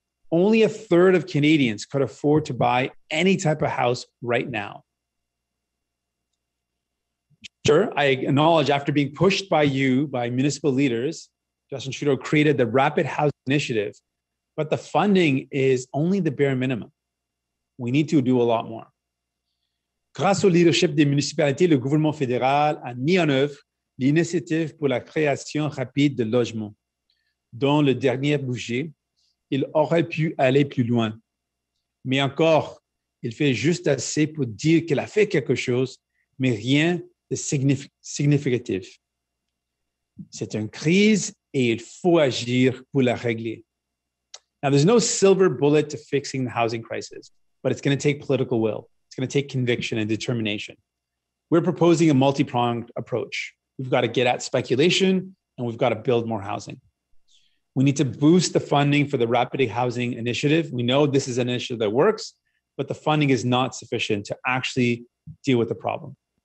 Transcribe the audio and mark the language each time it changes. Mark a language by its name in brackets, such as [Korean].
[English] Only a third of Canadians could afford to buy any type of house right now. Sure, I acknowledge after being pushed by you, by municipal leaders, Justin Trudeau created the Rapid House Initiative, but the funding is only the bare minimum. We need to do a lot more. [French] Grâce au leadership des municipalités, le gouvernement fédéral a mis en œuvre l'initiative pour la création rapide de logements. Dans le dernier budget, il aurait pu aller plus loin. Mais encore, il fait juste assez pour dire qu'il a fait quelque chose, mais rien de significatif. C'est une crise et il faut agir pour la régler. [English] Now, there's no silver bullet to fixing the housing crisis, but it's going to take political will. It's going to take conviction and determination. We're proposing a multi-pronged approach. We've got to get at speculation and we've got to build more housing. We need to boost the funding for the Rapid Housing Initiative. We know this is an initiative that works, but the funding is not sufficient to actually deal with the problem.